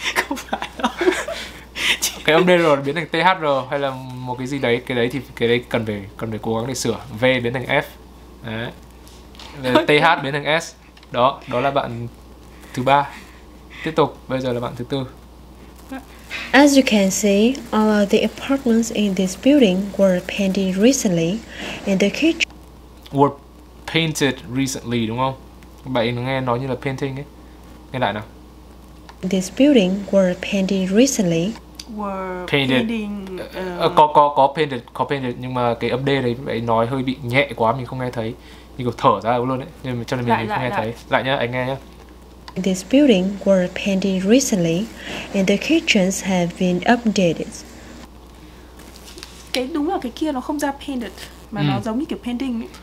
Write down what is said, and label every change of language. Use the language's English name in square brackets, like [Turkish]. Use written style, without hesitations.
[Vietnamese] Không phải đâu. Cái âm DR biến thành THR hay là một cái gì đấy, cái đấy thì cái đấy cần phải cố gắng để sửa. V biến thành F. Đấy. TH biến thành S. Đó, đó là bạn thứ 3. Tiếp tục, bây giờ là bạn thứ 4. [English] As you can see, all of the apartments in this building were painted recently and the kitchen were painted recently, [Vietnamese] đúng không? Bạn nghe nói như là painting ấy. Nghe lại nào. [English] This building were painted recently. Were painted. Painting, [Vietnamese] có painted, có painted, nhưng mà cái âm D đấy bạn nói hơi bị nhẹ quá, mình không nghe thấy. Mình có thở ra luôn ấy, nên cho nên mình lại, không lại, nghe lại. Thấy. Lại nhá, anh nghe nhá. [English] This building were painted recently and the kitchens have been updated. [Vietnamese] Cái đúng là cái kia nó không ra painted mà nó giống như kiểu painting ấy.